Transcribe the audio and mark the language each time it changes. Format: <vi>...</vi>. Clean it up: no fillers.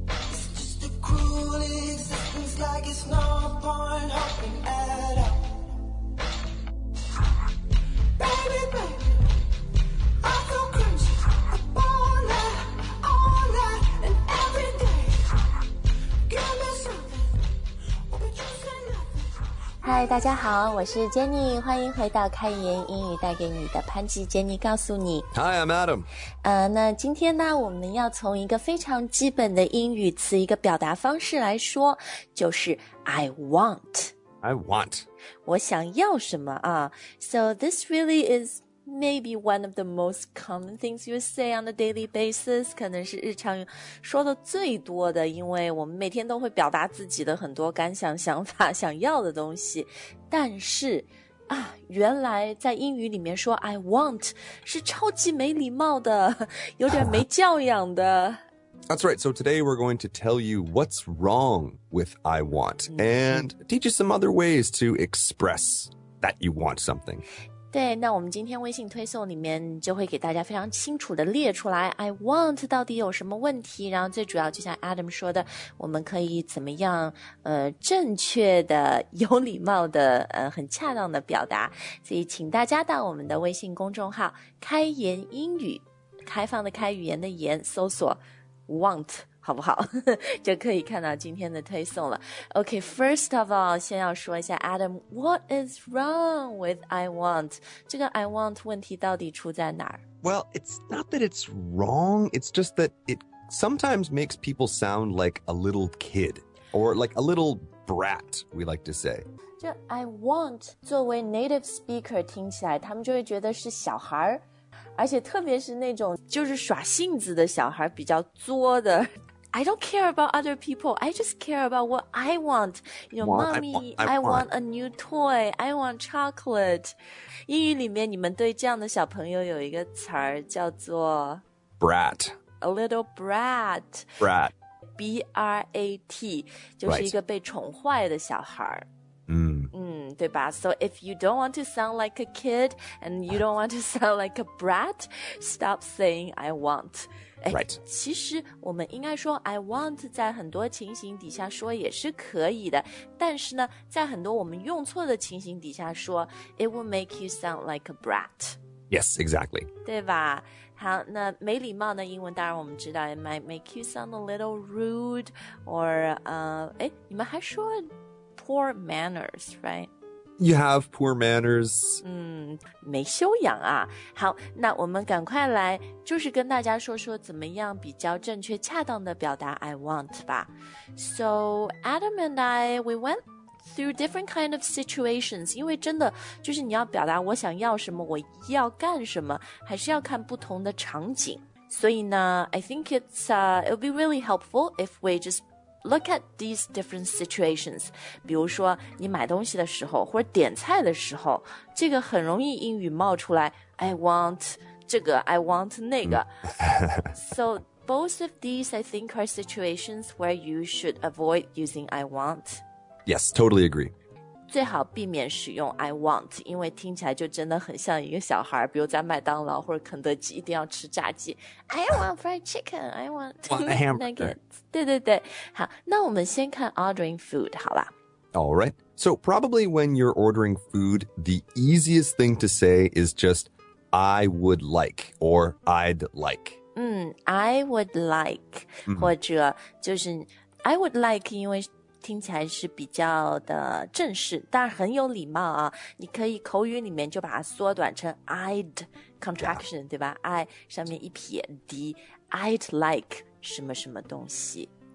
<en>It's just a cruel existence like it's no point hoping at all Baby baby</en> <zh>嗨，大家好，我是 Jenny， 欢迎回到开言英语带给你的潘吉 Jenny 告诉你。</zh> <en>Hi, I'm Adam。</en> <zh>那今天呢，我们要从一个非常基本的英语词一个表达方式来说，就是 I want。</zh> <en>I want。</en> <zh>我想要什么啊 ？</zh> <en>So this really is maybe one of the most common things you say on a daily basis，</en> <zh>可能是日常说的最多的，因为我们每天都会表达自己的很多感想、想法、想要的东西。但是啊，原来在英语里面说 I want 是超级没礼貌的，有点没教养的。</zh> <en>That's right. So today we're going to tell you what's wrong with I want、mm-hmm. and teach you some other ways to express that you want something.</en> <zh>对，那我们今天微信推送里面就会给大家非常清楚的列出来 I want 到底有什么问题，然后最主要就像 Adam 说的，我们可以怎么样正确的有礼貌的很恰当的表达，所以请大家到我们的微信公众号开言英语，开放的开，语言的言，搜索 want好不好就可以看到今天的推送了。</zh> <en>OK, first of all,</en> <zh>先要说一下</zh> <en>Adam, what is wrong with I want?</en> <zh>这个 I want 问题到底出在哪儿？</zh> <en>Well, it's not that it's wrong, it's just that it sometimes makes people sound like a little kid, or like a little brat, we like to say.</en> <zh>这 I want 作为 native speaker 听起来他们就会觉得是小孩儿。而且特别是那种就是耍性子的小孩比较作的</zh> <en>I don't care about other people I just care about what I want You know, want, mommy, I want a new toy I want chocolate</en> <zh>英语里面你们对这样的小朋友有一个词儿叫做</zh> <en>Brat A little brat Brat B-R-A-T</en> <zh>就是一个被宠坏的小孩对吧</zh> <en>So if you don't want to sound like a kid and you don't want to sound like a brat, stop saying I want. Right.</en> <zh>其实我们应该说 I want 在很多情形底下说也是可以的。但是呢在很多我们用错的情形底下说</zh> <en>it will make you sound like a brat. Yes, exactly.</en> <zh>对吧好那没礼貌的英文当然我们知道</zh> <en>it might make you sound a little rude or,</en> <zh>你们还说</zh> <en>Poor manners, right? You have poor manners.</en> <zh>没修养啊。好，那我们赶快来，就是跟大家说说怎么样比较正确恰当的表达 I want 吧。</zh> <en>So Adam and I, we went through different kind of situations,</en> <zh>因为真的就是你要表达我想要什么，我要干什么，还是要看不同的场景。所以呢</zh> <en>I think it'll be really helpful if we justLook at these different situations.</en> <zh>比如说你买东西的时候或者点菜的时候这个很容易英语冒出来 I want 这个 I want 那个</zh> <en>So both of these I think are situations where you should avoid using I want. Yes, totally agree.</en> <zh>最好避免使用</zh> <en>I want 因为听起来就真的很像一个小孩比如在麦当劳或者肯德基一定要吃炸鸡 I want fried chicken I want nuggets</en> <zh>对对对好那我们先看 ordering food 好吧</zh> <en>Alright So probably when you're ordering food The easiest thing to say is just I would like Or I'd like</en> <zh>I would like、或者就是 I would like 因为听起来是比较的正式但很有礼貌啊你可以口语里面就把它缩短成 I'd contraction、对吧 I 上面一撇 D I'd like 什么什么东西</zh>